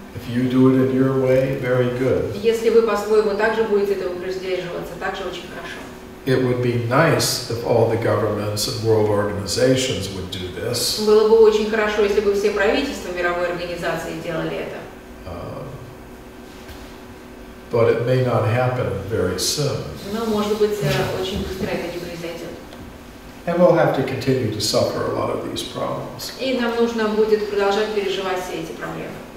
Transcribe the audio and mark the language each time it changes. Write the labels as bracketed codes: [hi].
[en] If you do it in your way, very good. [ru] Если вы по-своему также будете это упреждеживаться, также очень хорошо. [en] It would be nice if all the governments and world organizations would do this. [ru] Было бы очень хорошо, если бы все правительства мировой организации делали это. [en] But it may not happen very soon. [ru] Но может быть очень быстро это не произойдет. [en] And we'll have to continue to suffer a lot of these problems. [ru] И нам нужно будет продолжать переживать все эти проблемы.